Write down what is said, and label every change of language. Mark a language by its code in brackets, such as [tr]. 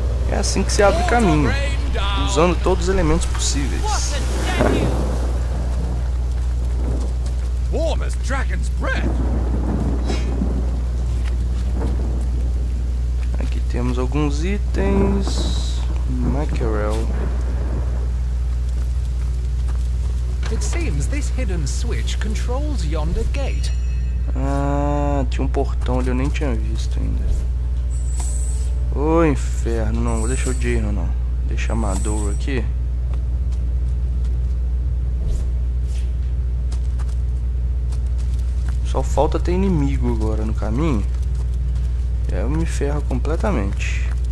[pt] É assim que se abre caminho, usando todos os elementos possíveis. [en] Warm as dragon's breath. [pt] Aqui temos alguns itens. [en] Mackerel. It seems this hidden switch controls yonder gate. [pt] Ah, tinha um portão ali, eu nem tinha visto ainda. Ô, inferno, não, vou deixar o Jiren, não. Deixa a Maduro aqui. Só falta ter inimigo agora no caminho. E aí eu me ferro completamente.